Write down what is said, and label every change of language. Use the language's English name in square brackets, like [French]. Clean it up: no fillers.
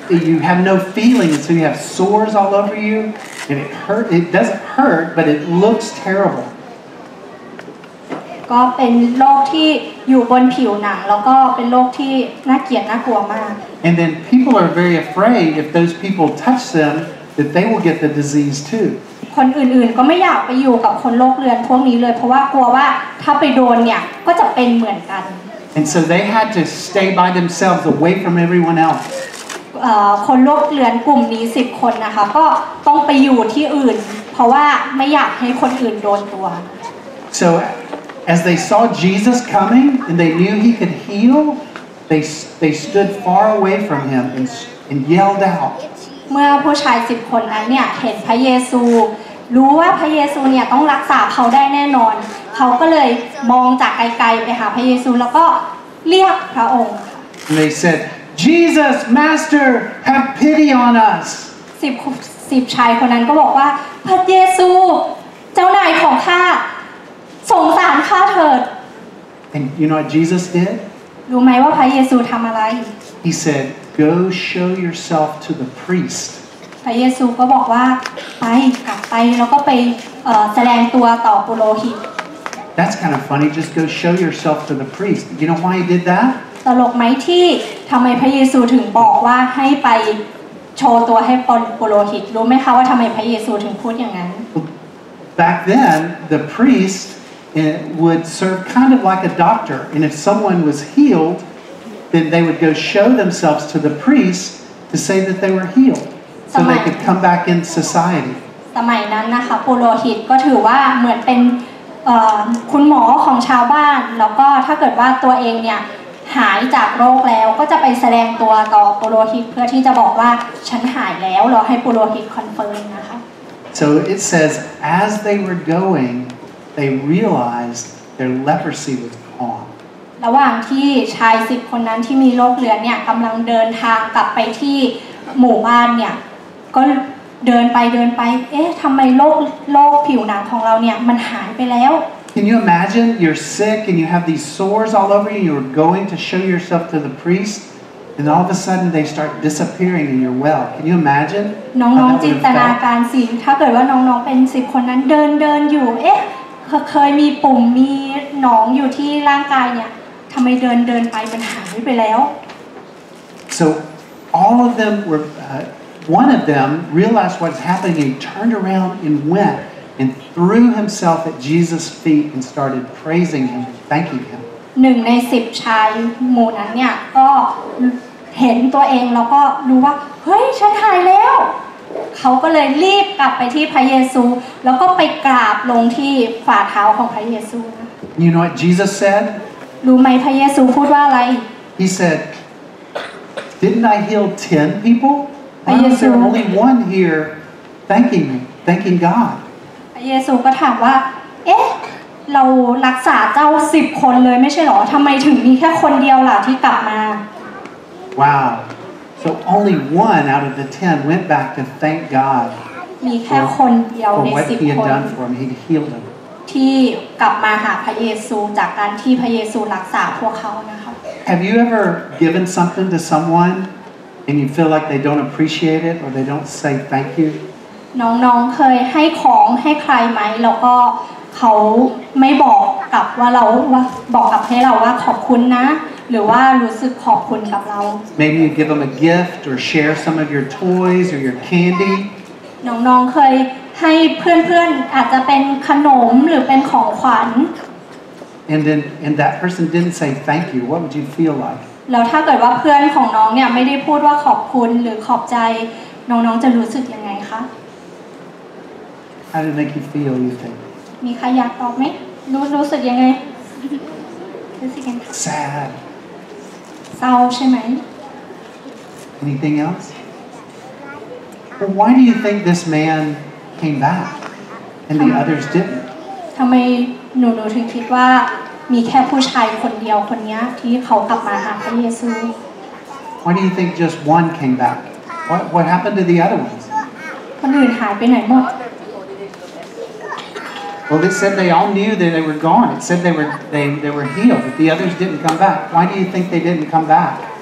[English] You have no feeling, so you have sores all over you, and it hurt. It doesn't hurt, but it looks terrible. [Thai] ก็เป็นโรคที่อยู่บนผิวหนังแล้วก็เป็นโรคที่น่าเกลียดน่ากลัวมาก [English] And then people are very afraid if those people touch them that they will get the disease too. [Thai] คนอื่นๆก็ไม่อยากไปอยู่กับคนโรคเรื้อนพวกนี้เลยเพราะว่ากลัวว่าถ้าไปโดนเนี่ยก็จะเป็นเหมือนกัน [English] And so they had to stay by themselves, away from everyone else. [Thai] คนโรคเรื้อนกลุ่มนี้10คนนะคะก็ต้องไปอยู่ที่อื่นเพราะว่าไม่อยากให้คนอื่นโดนตัว [English] So as they saw Jesus coming and they knew he could heal, they stood far away from him and yelled out. [Thai] เมื่อผู้ชาย10คนนั้นเนี่ยเห็นพระเยซูรู้ว่าพระเยซูเนี่ยต้องรักษาเขาได้แน่นอนเขาก็เลยมองจากไกลๆไปหาพระเยซูแล้วก็เรียกพระองค์ [English] And they said Jesus Master have pity on us [Thai] สิบชายคนนั้นก็บอกว่าพระเยซูเจ้านายของข้าสงสารข้าเถิด [English] And you know what Jesus did [Thai] รู้ไหมว่าพระเยซูทำอะไร [English] He said go show yourself to the priest [Thai] พระเยซูก็บอกว่าไปกลับไปแล้วก็ไปแสดงตัวต่อปุโรหิต [English] That's kind of funny just go show yourself to the priest you know why he did that [Thai] ตลกไหมที่ทำไมพระเยซูถึงบอกว่าให้ไปโชว์ตัวให้ปุโรหิตรู้ไหมคะว่าทำไมพระเยซูถึงพูดอย่างนั้น [English] Back then the priest would serve kind of like a doctor and if someone was healed then they would go show themselves to the priest to say that they were healedSo they could come back in society. [Thai] สมัยนั้นนะคะปุโรหิตก็ถือว่าเหมือนเป็นคุณหมอของชาวบ้านแล้วก็ถ้าเกิดว่าตัวเองเนี่ยหายจากโรคแล้วก็จะไปแสดงตัวต่อปุโรหิตเพื่อที่จะบอกว่าฉันหายแล้วรอให้ปุโรหิตคอนเฟิร์มนะคะ [English] So it says as they were going, they realized their leprosy was gone. [Thai] ระหว่างที่ชายสิบคนนั้นที่มีโรคเรื้อนเนี่ยกำลังเดินทางกลับไปที่หมู่บ้านเนี่ยก็เดินไปเดินไปเอ๊ะทำไมโรคผิวหนังของเราเนี่ยมันหายไปแล้ว [English] Can you imagine you're sick and you have these sores all over you and you're going to show yourself to the priest and all of a sudden they start disappearing and you're well Can you imagine [Thai] น้องๆจินตนาการสิถ้าเกิดว่าน้องๆเป็น10คนนั้นเดินอยู่เอ๊ะเคยมีปุ่มมีหนองอยู่ที่ร่างกายเนี่ยทำไมเดินไปมันหายไปแล้ว [English] So all of them were One of them realized what's happening and turned around and went and threw himself at Jesus' feet and started praising him, thanking him. One in 10 [Thai] ชายหมู่นั้นเนี่ยก็เห็นตัวเองแล้วก็รู้ว่าเฮ้ยฉันหายแล้วเขาก็เลยรีบกลับไปที่พระเยซูแล้วก็ไปกราบลงที่ฝ่าเท้าของพระเยซู [English] You know what Jesus said? [Thai] รู้ไหมพระเยซูพูดว่าอะไร [English] He said, "Didn't I heal 10 people?" Why is there only one here thanking me, thanking God? [Thai] พระเยซูก็ถามว่าเอ๊ะเรารักษาเจ้า10คนเลยไม่ใช่หรอทำไมถึงมีแค่คนเดียวล่ะที่กลับมา [English] Wow. So only one out of the 10 went back to thank God. [Thai] มีแค่คนเดียวใน10คน ที่ [English] done for him, he healed them. [Thai] ที่กลับมาหาพระเยซูจากการที่พระเยซูรักษาพวกเขานะคะ [English] Have you ever given something to someone? And you feel like they don't appreciate it or they don't say thank you? [Thai] น้องๆเคยให้ของให้ใครไหมแล้วก็เขาไม่บอกกับว่าเราบอกกับให้เราว่าขอบคุณนะหรือว่ารู้สึกขอบคุณกับเรา [English] Maybe you give them a gift or share some of your toys or your candy. [Thai] น้องๆเคยให้เพื่อนๆอาจจะเป็นขนมหรือเป็นของขวัญ [English] And that person didn't say thank you. What would you feel like? [Thai] แล้วถ้าเกิดว่าเพื่อนของน้องเนี่ยไม่ได้พูดว่าขอบคุณหรือขอบใจน้องๆจะรู้สึกยังไงคะ [English] How did it make you feel you think [Thai] มีใครอยากตอบไหมรู้สึกยังไง รู้สึกยังไง [English] Sad [Thai] เศร้าใช่ไหม [English] Anything else But why do you think this man came back and the others didn't [Thai] ทำไมหนูถึงคิดว่ามีแค่ผู้ชายคนเดียวคนนี้ที่เขากลับมาหาพระเยซู [English] Why do you think just one came back? What happened to the other ones? [Thai] คนอื่นหายไปไหนหมด [English] Well, Well, they said they all knew that they were gone. It said they were healed, but the others didn't come back. Why do you think they didn't come back?